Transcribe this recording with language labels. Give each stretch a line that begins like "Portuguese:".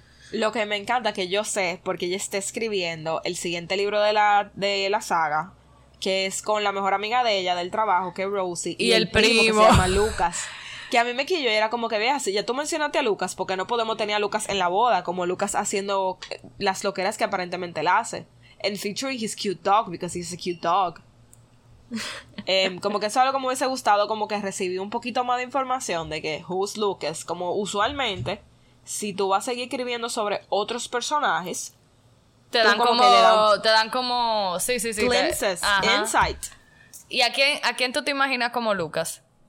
Spanish: Lo que me encanta que yo sé, porque ella está escribiendo el siguiente libro de la saga, que es con la mejor amiga de ella, del trabajo, que es Rosie. Y el primo. Que se llama Lucas. Que a mí me quillo y era como que, vea, si ya tú mencionaste a Lucas, porque no podemos tener a Lucas en la boda, como Lucas haciendo las loqueras que aparentemente él hace.
English: And featuring his cute dog, because he's a cute dog.
Spanish: como que eso es algo que me hubiese gustado, como que recibí un poquito más de información de que
English: who's Lucas,
Spanish: como usualmente si tú vas a seguir escribiendo sobre otros personajes te dan como
English: glimpses, insight.
Spanish: ¿Y a quién tú te imaginas como Lucas?